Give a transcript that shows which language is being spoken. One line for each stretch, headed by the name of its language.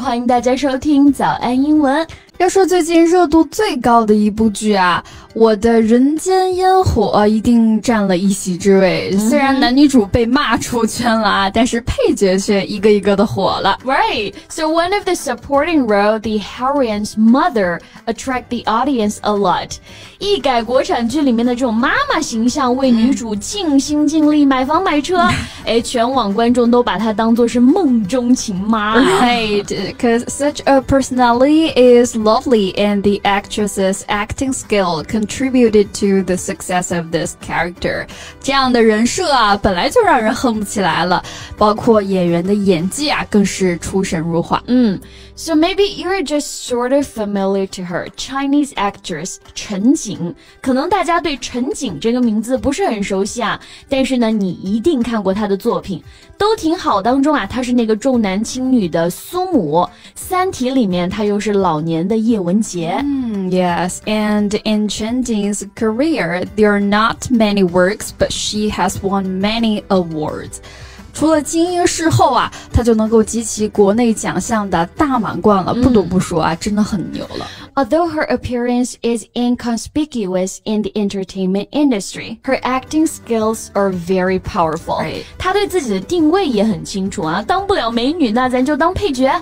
Chinese: 欢迎大家收听早安英文。要说最近热度最高的一部剧啊，我的人间烟火、一定占了一席之位。
English: Mm-hmm.
Chinese: 虽然男女主被骂出圈了啊，但是配角却一个一个的火了。
English: Right. So one of the supporting role, the heroine's mother, attract the audience a lot.
Chinese: 一改国产剧里面的这种妈妈形象，为女主尽心尽力买房买车，哎，全网观众都把她当作是梦中情妈。
English: Right. Because such a personality is. Lovely, and the actress's acting skill contributed to the success of this character.
Chinese: 这样的人设啊，本来就让人恨不起来了，包括演员的演技啊，更是出神入化。
English: 嗯So maybe you're just sort of familiar to her, Chinese actress 陈瑾。
Chinese: 可能大家对陈瑾这个名字不是很熟悉啊，但是呢，你一定看过她的作品，都挺好。当中啊，她是那个重男轻女的苏母，《三体》里面她又是老年的叶文洁。
English: Yes, and in Chen Jing's career, there are not many works, but she has won many awards.
Chinese: 除了金鹰视后啊，他就能够集齐国内奖项的大满贯了，不得不说啊，真的很牛了。
English: Although her appearance is inconspicuous in the entertainment industry, her acting skills are very powerful. Right.
Chinese: 她对自己的定位也很清楚啊，当不了美女，那咱就当配角。